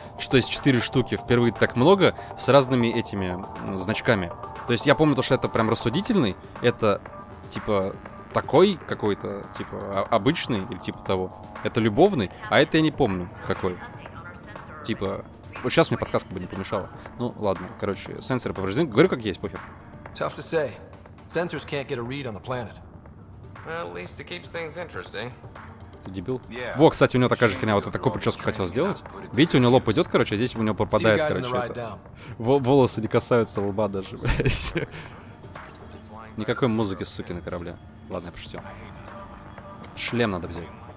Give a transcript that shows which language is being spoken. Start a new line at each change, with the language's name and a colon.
Russian: Что есть 4 штуки. Впервые так много. С разными этими значками. То есть я помню то, что это прям рассудительный. Это типа такой какой-то, типа, обычный или типа того. Это любовный, а это я не помню какой. Типа, вот сейчас мне подсказка бы не помешала. Ну, ладно, короче, сенсоры повреждены. Говорю, как есть, пофиг.
English: Tough to say. Sensors can't get a read on the planet. Well, at least it keeps things interesting.
Russian: Ты дебил? Во, кстати, у него такая же херня, вот я такую прическу хотел сделать. Видите, у него лоб идет, короче, а здесь у него пропадает, короче, волосы не касаются лба даже, блядь. Никакой музыки, суки, на корабле. Ладно, я пошутил. Шлем надо взять.